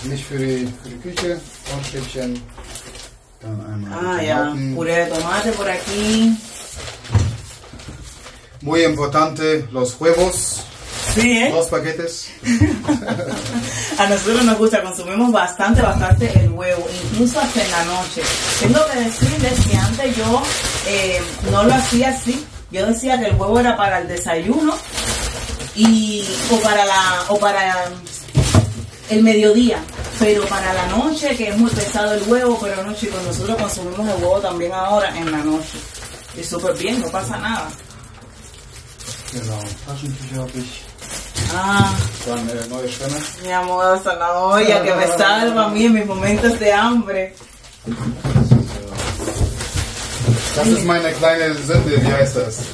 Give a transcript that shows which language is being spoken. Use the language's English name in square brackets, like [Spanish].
[German] Nicht für die Küche, ein Stückchen. [Spanish] Ya, puré de tomate por aquí. Muy importante, los huevos. Sí, ¿eh? Dos paquetes. A nosotros nos gusta, consumimos bastante, bastante el huevo, incluso hasta en la noche. Tengo que decirles que antes yo no lo hacía así. Yo decía que el huevo era para el desayuno y o para el mediodía. Pero para la noche, que es muy pesado el huevo, pero no, chicos, nosotros consumimos el huevo también ahora en la noche. Y súper bien, no pasa nada. [German] Genau, Taschentücher habe ich. Ah. Dann neue Schwämme. [Spanish] Mi amor, hasta la olla, que me salva a mí en mis momentos de hambre. [German] Das ist meine kleine Sünde, wie heißt das?